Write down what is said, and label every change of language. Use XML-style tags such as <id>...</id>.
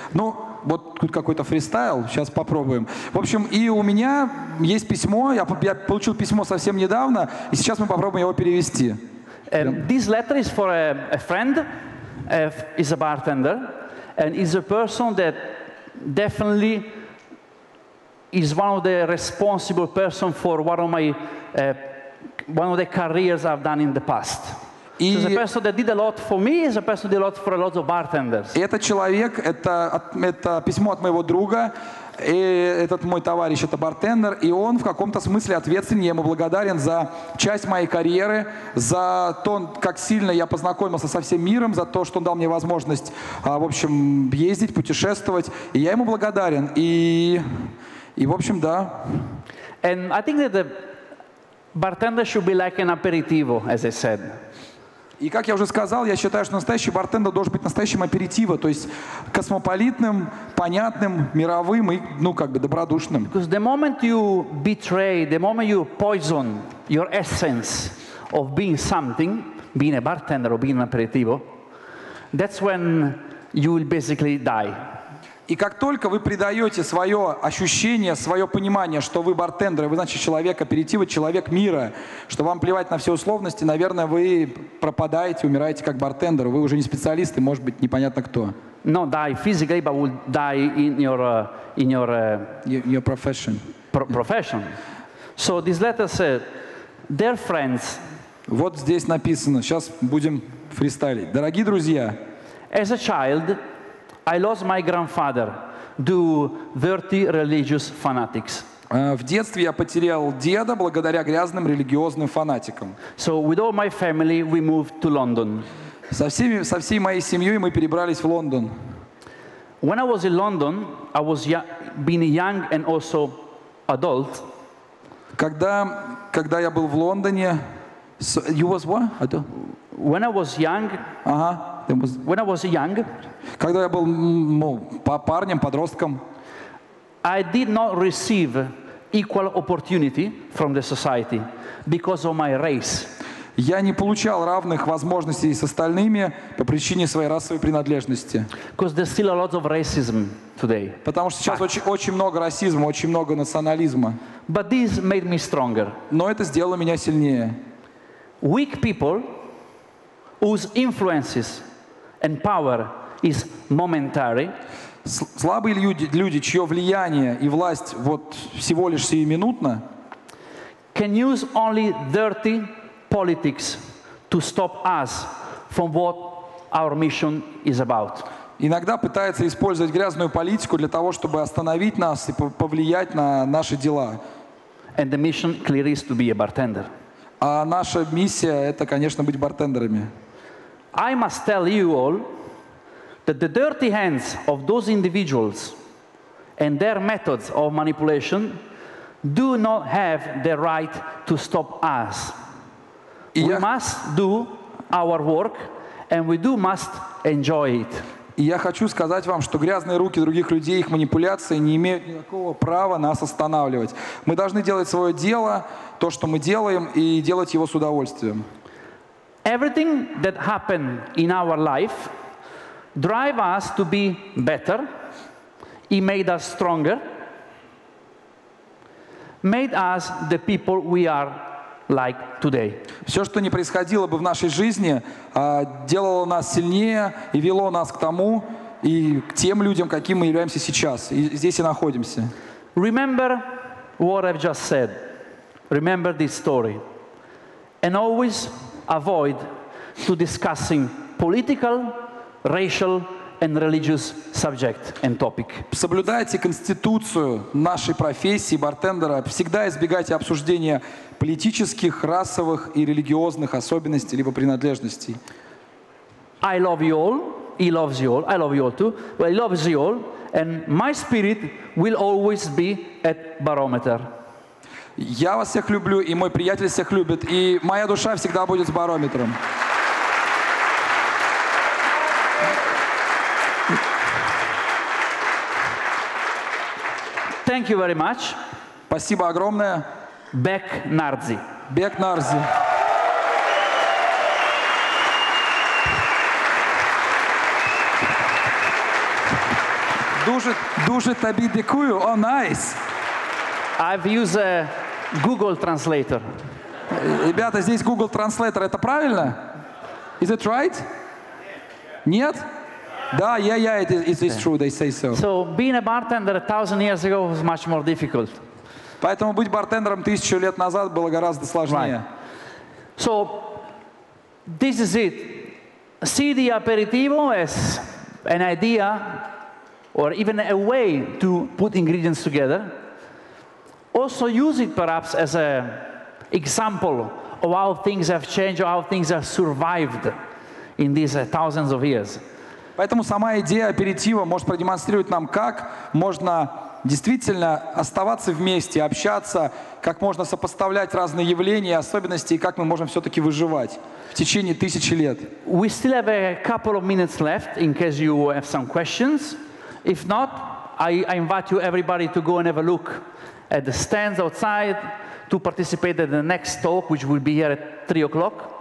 <ru>Ну, вот тут какой-то фристайл. Сейчас попробуем. В общем, и у меня есть письмо. Я получил письмо совсем недавно, и сейчас мы попробуем его перевести.</ru> <en>This letter is for a friend. Is a bartender, and is a person that definitely is one of the responsible person for one of the careers I've done in the past. So it's a person that did a lot for me, it's a person that did a lot for a lot of bartenders.</en> <ru>Этот человек, это письмо от моего друга, и этот мой товарищ, это бартендер, и он в каком-то смысле ответственен, я ему благодарен за часть моей карьеры, за то, как сильно я познакомился со всем миром, за то, что он дал мне возможность, в общем, ездить, путешествовать, и я ему благодарен. И в общем, да.</ru> <en>And I think that the bartender should be like an aperitivo, as I said.</en> <ru>И как я уже сказал, я считаю, что настоящий бартендер должен быть настоящим аперитиво, то есть космополитным, понятным, мировым и, ну, как бы добродушным.</ru> <en>Because the moment you betray, the moment you poison your essence of being something, being a bartender or being an aperitivo, that's when you will basically die.</en> <ru>И как только вы придаете свое ощущение, свое понимание, что вы бартендер, вы, значит, человек аперитива, человек мира, что вам плевать на все условности, наверное, вы пропадаете, умираете как бартендер. Вы уже не специалист, и, может быть, непонятно кто.</ru> <en>No, die physically, but will die in your profession. Profession. So this letter said, dear friends.</en> <ru>Вот здесь написано. Сейчас будем фристайлить. Дорогие друзья.</ru> <en>As a child, I lost my grandfather to dirty religious fanatics.</en> <ru>В детстве я потерял деда благодаря грязным религиозным фанатикам.</ru> <en>So with all my family we moved to London.</en> <ru>Со всей моей семьей мы перебрались в Лондон.</ru> <en>When I was in London, I was being young and also adult.</en> <ru>Когда я был в Лондоне,</ru> <en>so, you was what? Adult. When I was young. When I was young,</en> <ru>когда я был парнем, подростком,</ru> <en>I did not receive equal opportunity from the society because of my race.</en> <ru>Я не получал равных возможностей с остальными по причине своей расовой принадлежности.</ru> <en>Because there's still a lot of racism today.</en> <ru>Потому что сейчас очень много расизма, очень много национализма.</ru> <en>But this made me stronger.</en> <ru>Но это сделало меня сильнее.</ru> <en>Weak people whose influences and power is momentary.</en> <ru>Слабые люди, чье влияние и власть вот всего лишь сиюминутно.</ru> <en>Can use only dirty politics to stop us from what our mission is about.</en> <ru>Иногда пытается использовать грязную политику для того, чтобы остановить нас и повлиять на наши дела.</ru> <en>And the mission clearly is to be a bartender.</en> <ru>А наша миссия — это, конечно, быть бартендерами.</ru> <en>I must tell you all that the dirty hands of those individuals and their methods of manipulation do not have the right to stop us. We must do our work and we do must enjoy it.</en> <ru>И я хочу сказать вам, что грязные руки других людей, их манипуляции не имеют никакого права нас останавливать. Мы должны делать свое дело, то, что мы делаем, и делать его с удовольствием.</ru> <en>Everything that happened in our life drive us to be better. It made us stronger. Made us the people we are like today.</en> <ru>Все, что не происходило бы в нашей жизни, делало нас сильнее и вело нас к тому и к тем людям, каким мы являемся сейчас, и здесь и находимся.</ru> <en>Remember what I've just said. Remember this story. And always avoid to discussing political, racial, and religious subject and topic.</en> <ru>Соблюдайте конституцию нашей профессии бартендера. Всегда избегайте обсуждения политических, расовых и религиозных особенностей либо принадлежностей.</ru> <en>I love you all. He loves you all. I love you all too. Well, he loves you all, and my spirit will always be at barometer.</en> <ru>Я вас всех люблю, и мой приятель всех любит, и моя душа всегда будет с барометром.</ru> <en>Thank you very much.</en> <ru>Спасибо огромное. Бек Нарзи. Бек Нарзи.</ru> <uk>Дуже тобі дякую. О, найс.</uk> <en>I've used a Google Translator.</en> <ru>Ребята, здесь Google Translator. Это правильно?</ru> <en>Is it right?</en> <ru>Нет?</ru> <en>Да, yeah, it is true, they say so. So being a bartender 1,000 years ago was much more difficult.</en> <ru>Поэтому быть бартендером 1,000 лет назад было гораздо сложнее.</ru> <en>Right. So this is it. See the aperitivo as an idea or even a way to put ingredients together. Also use it perhaps as an example of how things have changed or how things have survived in these thousands of years.</en> <ru>Поэтому сама идея аперитива может продемонстрировать нам, как можно действительно оставаться вместе, общаться, как можно сопоставлять разные явления, особенности, и как мы можем все-таки выживать в течение тысячи лет.</ru> <en>We still have a couple of minutes left in case you have some questions. If not, I invite you everybody to go and have a look at the stands outside to participate in the next talk, which will be here at 3:00.</en>